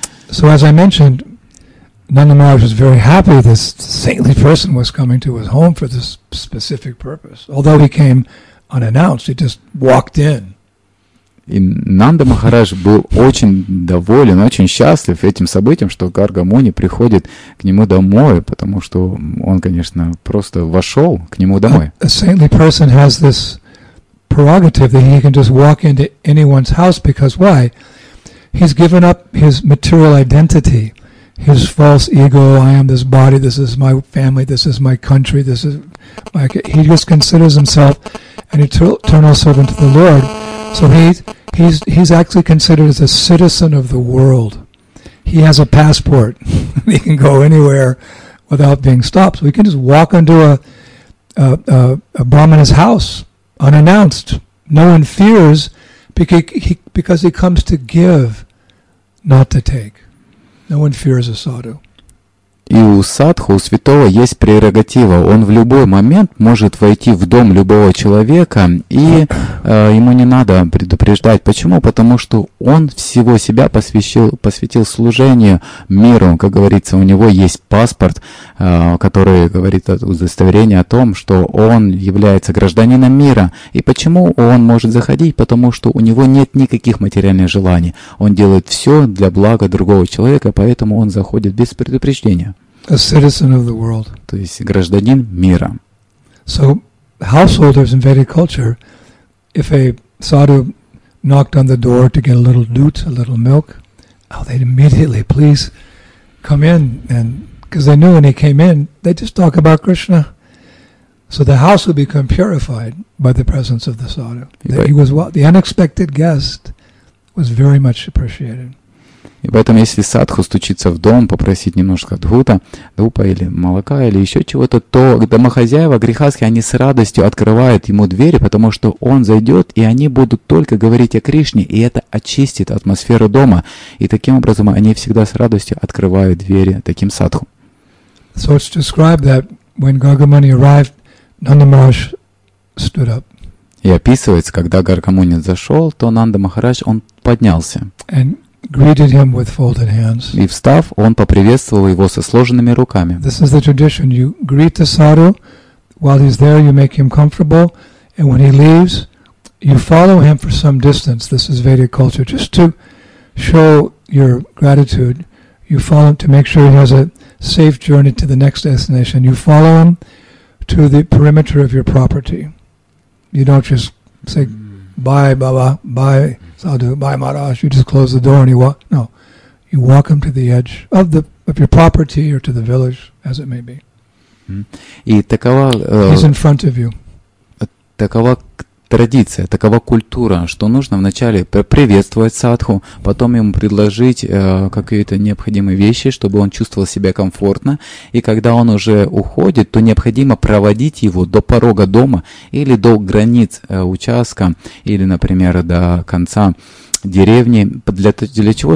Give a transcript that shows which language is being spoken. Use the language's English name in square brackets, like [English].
[English] So as I mentioned, Nanda Maharaj was very happy this saintly person was coming to his home for this specific purpose. Although he came unannounced, he just walked in. [Russian] И Нанда Махарадж был очень доволен, очень счастлив этим событием, что Гарга Муни приходит к нему домой, потому что он, конечно, просто вошел к нему домой. [English] A saintly person has this prerogative that he can just walk into anyone's house because why? He's given up his material identity, his false ego, I am this body, this is my family, this is my country, this is my... He just considers himself an eternal servant to the Lord. So he's actually considered as a citizen of the world. He has a passport. He can go anywhere without being stopped. So he can just walk into a brahmana's house unannounced. No one fears because he comes to give, not to take. No one fears a sadhu. [Russian] И у садху, у святого, есть прерогатива. Он в любой момент может войти в дом любого человека, и ему не надо предупреждать. Почему? Потому что он всего себя посвятил служению миру. Как говорится, у него есть паспорт, который говорит удостоверение о том, что он является гражданином мира. И почему он может заходить? Потому что у него нет никаких материальных желаний. Он делает все для блага другого человека, поэтому он заходит без предупреждения. [English] A citizen of the world. [Russian] То есть гражданин мира. [English] So, householders in Vedic culture, if a sadhu knocked on the door to get a little doot, a little milk, oh, they'd immediately, please, come in. And because they knew when he came in, they'd just talk about Krishna. So the house would become purified by the presence of the sadhu. Right. He was the unexpected guest was very much appreciated. [Russian] И поэтому, если садху стучится в дом, попросить немножко дхута, дупа или молока, или еще чего-то, то домохозяева грихасхи, они с радостью открывают ему двери, потому что он зайдет, и они будут только говорить о Кришне, и это очистит атмосферу дома. И таким образом они всегда с радостью открывают двери таким садху. [English] So it's described that when Gargamuni arrived, Nanda Maharaj stood up. [Russian] И описывается, когда Гаргамуни зашел, то Нанда Махарадж, он поднялся. [English] And greeted him with folded hands. [Russian] И встав, он поприветствовал его со сложенными руками. [English] This is the tradition. You greet the sadhu while he's there, you make him comfortable, and when he leaves, you follow him for some distance. This is Vedic culture, just to show your gratitude. You follow him to make sure he has a safe journey to the next destination. You follow him to the perimeter of your property. You don't just say, bye, Baba, bye, Sadhu, bye, Maharaj. You just close the door and you walk. No, you walk him to the edge of the of your property or to the village, as it may be. [Russian] И такова, [English] he's in front of you. [Russian] Такова традиция, такова культура, что нужно вначале приветствовать садху, потом ему предложить какие-то необходимые вещи, чтобы он чувствовал себя комфортно. И когда он уже уходит, то необходимо проводить его до порога дома или до границ участка, или, например, до конца деревни. Для, для чего?